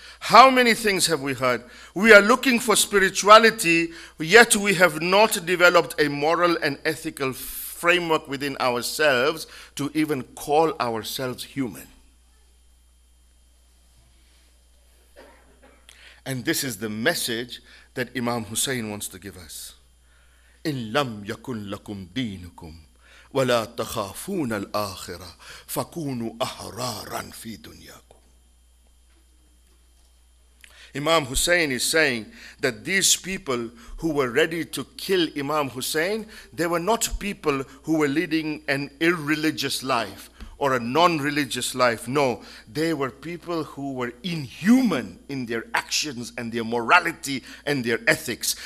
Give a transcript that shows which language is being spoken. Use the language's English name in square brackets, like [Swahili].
[English] How many things have we heard? We are looking for spirituality, yet we have not developed a moral and ethical framework within ourselves to even call ourselves human. And this is the message that Imam Hussein wants to give us. [Arabic] In lam yakun lakum dinukum وَلَا تَخَافُونَ الْآخِرَةِ فَكُونُوا أَحْرَارًا فِي دُنْيَاكُمْ. [English] Imam Hussein is saying that these people who were ready to kill Imam Hussein, they were not people who were leading an irreligious life or a non-religious life. No, they were people who were inhuman in their actions and their morality and their ethics.